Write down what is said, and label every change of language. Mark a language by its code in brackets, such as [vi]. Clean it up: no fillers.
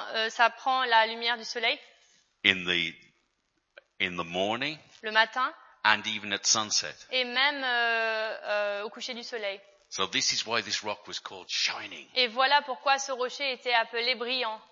[fr] Ça prend la lumière du soleil. [en] In the morning. [fr] Le matin. [en] And even at sunset. [fr] Et même au coucher du soleil. [en] So this is why this rock was called shining. [fr] Et voilà pourquoi ce rocher était appelé brillant.